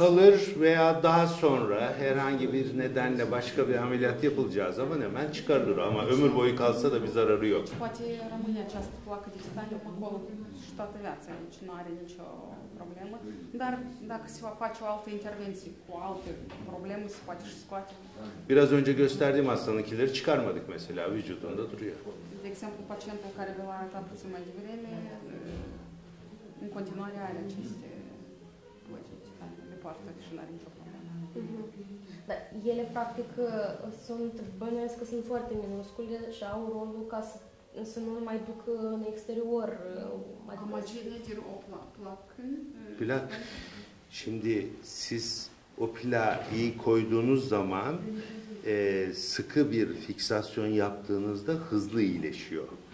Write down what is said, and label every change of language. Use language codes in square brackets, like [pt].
[tr] Kalır veya daha sonra herhangi bir nedenle başka bir ameliyat yapılacağı zaman hemen çıkarılır ama ömür boyu kalsa da bir zararı yok. [ro] Poate rămâne această placă de titanyum acolo și toată viața, deci nu are nicio problemă. Dar dacă se va face o altă intervenție cu alte probleme, se poate și scoate. [tr] Biraz önce gösterdiğim hastanınkileri çıkarmadık mesela, vücudunda duruyor. [ro] De exemplu, pacientul care vă l-a arătat puțin mai devreme, în continuare are aceste plăcii de poartă și nu are nicio problemă. Dar ele, practic, sunt, bănuiesc că sunt foarte minuscule și au rolul ca să nu mai duc în exterior. Imagine de o placă. Plac. [tr] Şimdi siz o plağı koyduğunuz zaman sıkı bir fiksasyon yaptığınızda hızlı iyileşiyor.